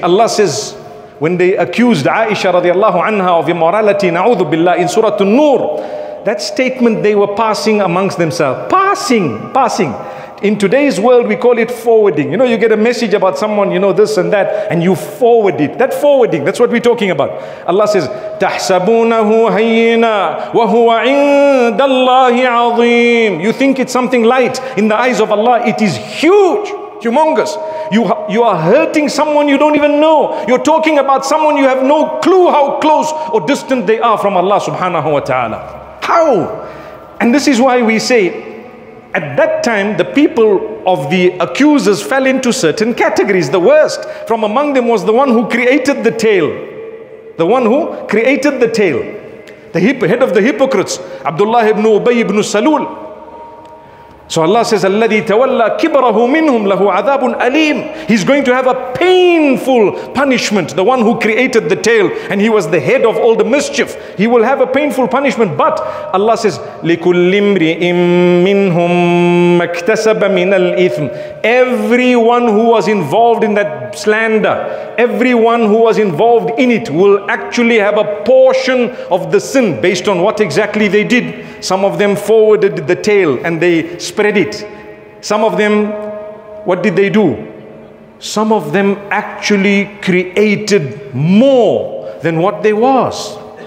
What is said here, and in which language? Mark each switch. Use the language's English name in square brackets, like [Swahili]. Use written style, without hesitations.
[English] Allah says, when they accused Aisha radiallahu anha of immorality, na'udhu billah, in Surah An-Nur, that statement they were passing amongst themselves. Passing. In today's world, we call it forwarding. You know, you get a message about someone, you know, this and that, and you forward it. That forwarding, that's what we're talking about. [Arabic] Allah says, تَحْسَبُونَهُ هَيِّنًا وَهُوَ عِنْدَ اللَّهِ عَظِيمٌ. [English] You think it's something light. In the eyes of Allah, it is huge, humongous. You are hurting someone you don't even know. You're talking about someone you have no clue how close or distant they are from Allah subhanahu wa ta'ala. How? And this is why we say, at that time, the people of the accusers fell into certain categories. The worst from among them was the one who created the tale. The one who created the tale. The head of the hypocrites, Abdullah ibn Ubay ibn Salul. [Arabic] So Allah says, الَّذِي تَوَلَّى كِبْرَهُ مِنْهُمْ لَهُ عَذَابٌ أَلِيمٌ. [English] He's going to have a painful punishment. The one who created the tale, and he was the head of all the mischief, he will have a painful punishment. [Arabic] But Allah says, لِكُلِّ امْرِئٍ مِّنْهُمْ مَكْتَسَبَ مِنَ الْإِثْمِ. [English] Everyone who was involved in that slander, everyone who was involved in it, will actually have a portion of the sin based on what exactly they did. Some of them forwarded the tale and they spread it. Some of them, what did they do? Some of them actually created more than what they was.